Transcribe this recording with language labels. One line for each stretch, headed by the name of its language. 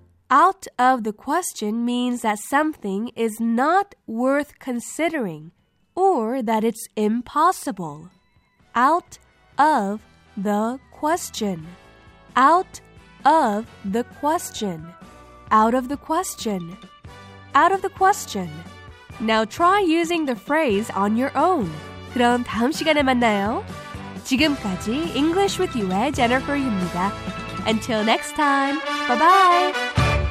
English: Out of the question means that something is not worth considering or that it's impossible. Out of the question. Out of the question. Out of the question. Out of the question. Now try using the phrase on your own.
Korean: 그럼 다음 시간에 만나요. 지금까지 English with You의 Jennifer 입니다.
English: Until next time, bye-bye!